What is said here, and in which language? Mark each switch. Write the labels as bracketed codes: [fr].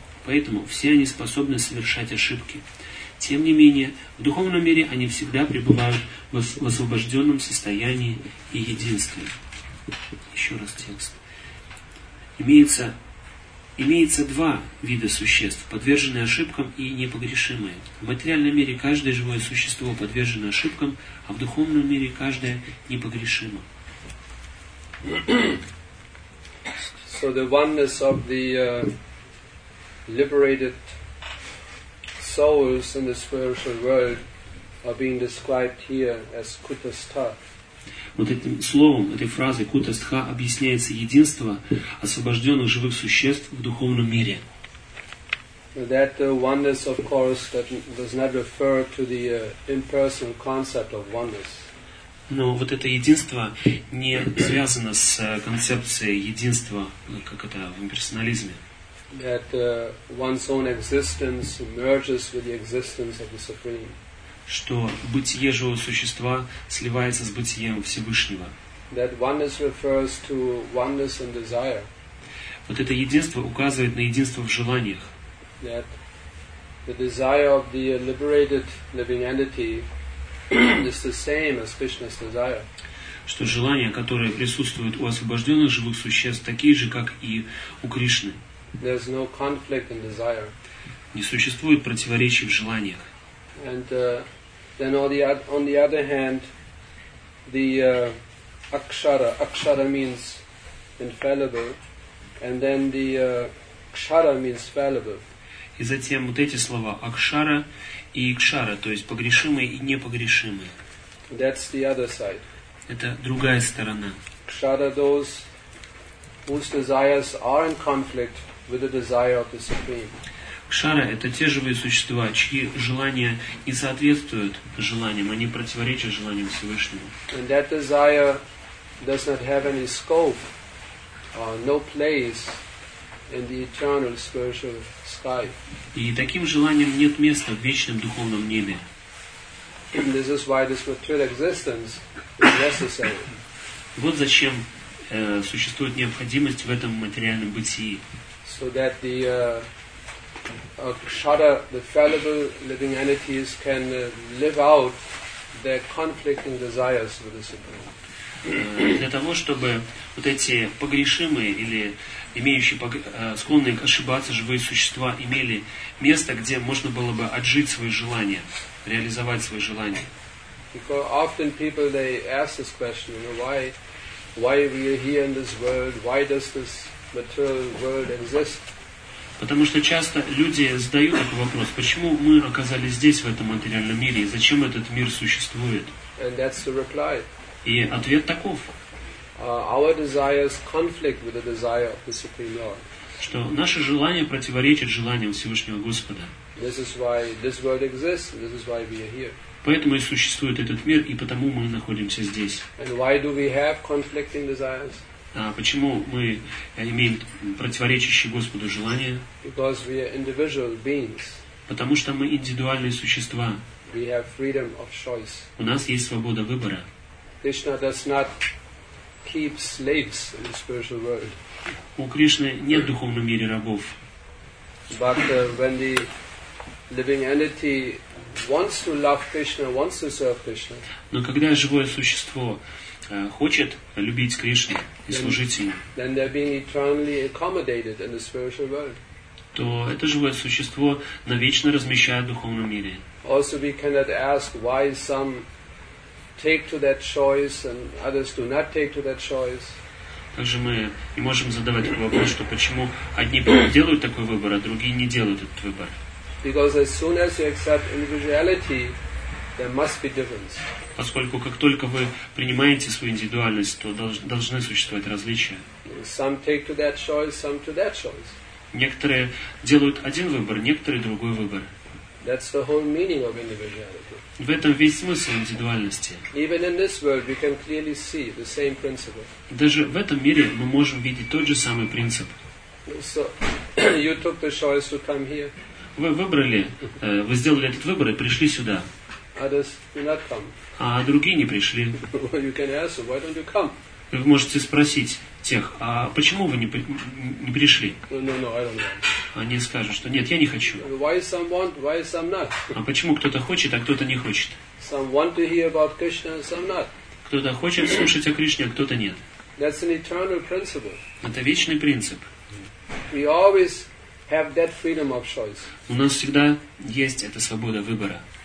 [ru] Поэтому все они способны совершать ошибки. Тем не менее, в духовном мире они всегда пребывают в освобожденном состоянии и единстве. Еще раз текст. Имеется два вида существ, подверженные ошибкам и непогрешимые. В материальном мире каждое живое существо подвержено ошибкам, а в духовном мире каждое непогрешимо. [en] So the oneness of the liberated souls in the spiritual world are being described here as kutastha. [ru] Вот этим словом, этой фразой кутастха объясняется единство освобожденных живых существ в духовном мире. [en] That oneness, of course, that does not refer to the impersonal concept of oneness. [ru] Но вот это единство не связано с концепцией единства, как это в имперсонализме. [en] That one's own existence merges with the existence of the Supreme. [ru] Что бытие живого существа сливается с бытием Всевышнего. [en] That oneness refers to oneness and desire. [ru] Вот это единство указывает на единство в желаниях. [en] That the desire of the liberated living entity is the same as Krishna's desire. [ru] Что желания, которые присутствуют у освобожденных живых существ, такие же, как и у Кришны. [en] There's no conflict in desire. [ru] Не существует противоречий в желаниях. [en] And then on the other hand, the akshara means infallible, and then the kshara means fallible. [ru] И затем вот эти слова акшара и кшара, то есть погрешимые и непогрешимые. [en] That's the other side. [ru] Это другая сторона. [en] Kshara those whose desires are in conflict with the desire of the Supreme. [ru] Кшара — это те живые существа, чьи желания не соответствуют желаниям, они противоречат желаниям Всевышнего. [en] And that desire does not have any scope, no place in the eternal spiritual sky. [ru] И таким желаниям нет места в вечном духовном небе. [en] This is why this material existence is necessary. [ru] Вот зачем существует необходимость в этом материальном бытии. [en] So that the Kshara, the fallible living entities, can live out their conflicting desires with the Supreme. [ru] Для того, чтобы вот эти погрешимые или имеющие склонные ошибаться живые существа имели место, где можно было бы отжить свои желания, реализовать свои желания. [en] Because often people they ask this question, you know, why we are here in this world? Why does this material world exist? [ru] Потому что часто люди задают такой вопрос, почему мы оказались здесь, в этом материальном мире, и зачем этот мир существует? [en] And that's the reply. [ru] И ответ таков. [en] Our desires conflict with the desire of the Supreme Lord. [ru] Что наши желания противоречат желаниям Всевышнего Господа. [en] This is why this world exists, this is why we are here. [ru] Поэтому и существует этот мир, и потому мы находимся здесь. [en] And why do we have conflicting desires? [ru] А почему мы имеем противоречащие Господу желания? Потому что мы индивидуальные существа. [en] We have freedom of choice. [ru] У нас есть свобода выбора. [en] Krishna does not keep slaves in the spiritual world. [ru] У Кришны нет в духовном мире рабов. [en] But when the living entity wants to love Krishna, wants to serve Krishna. [ru] Но когда живое существо хочет любить Кришну и служить Ему, [en] then they're being eternally accommodated in the spiritual world. [ru] То это живое существо навечно размещает в духовном мире. [en] Also, we cannot ask why some take to that choice and others do not take to that choice. [ru] Также мы не можем задавать такой вопрос, что почему одни делают такой выбор, а другие не делают этот выбор. [en] Because as soon as you accept individuality, there must be difference. [ru] Поскольку как только вы принимаете свою индивидуальность, то должны существовать различия. [en] Some take to that choice, some to that choice. [ru] Некоторые делают один выбор, некоторые другой выбор. [en] That's the whole meaning of individuality. [ru] В этом весь смысл индивидуальности. [en] Even in this world we can clearly see the same principle. [ru] Даже в этом мире мы можем видеть тот же самый принцип. [en] So, you took the choice to come here. [ru] Вы выбрали, вы сделали этот выбор и пришли сюда. [en] Others do not come. [ru] А другие не пришли. [en] You can ask, why don't you come? [ru] Вы можете спросить тех, а почему вы не пришли? [en] No, I don't know. [ru] Они скажут, что нет, я не хочу. [en] Why some want, why some not? [ru] А почему кто-то хочет, а кто-то не хочет? [en] Some want to hear about Krishna, some not. [ru] Кто-то хочет слушать о Кришне, а кто-то нет. [en] That's an eternal principle. [ru] Это вечный принцип. [en] We always have that freedom of choice. [ru] У нас всегда есть эта свобода выбора.